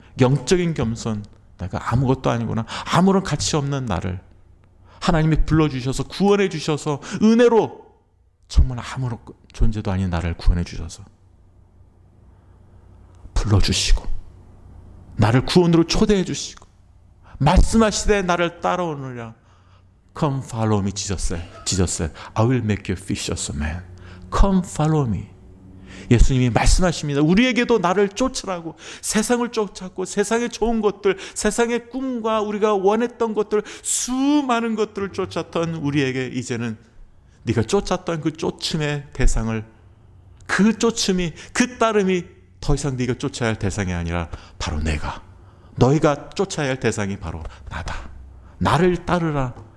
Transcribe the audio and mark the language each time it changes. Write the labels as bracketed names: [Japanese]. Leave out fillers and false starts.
[Korean] 영적인 겸손. 내가 아무것도 아니구나. 아무런 가치 없는 나를 하나님이 불러주셔서 구원해 주셔서 은혜로, 정말 아무런 존재도 아닌 나를 구원해 주셔서 불러주시고 나를 구원으로 초대해 주시고 말씀하시되 나를 따라오느냐. [English] Come follow me, Jesus. I will make you fishers of men. Come follow me. [Korean] 예수님이 말씀하십니다. 우리에게도 나를 쫓으라고. 세상을 쫓았고 세상의 좋은 것들, 세상의 꿈과 우리가 원했던 것들, 수많은 것들을 쫓았던 우리에게 이제는 네가 쫓았던 그 쫓음의 대상을, 그 쫓음이, 그 따름이 더 이상 네가 쫓아야 할 대상이 아니라 바로 내가, 너희가 쫓아야 할 대상이 바로 나다. 나를 따르라.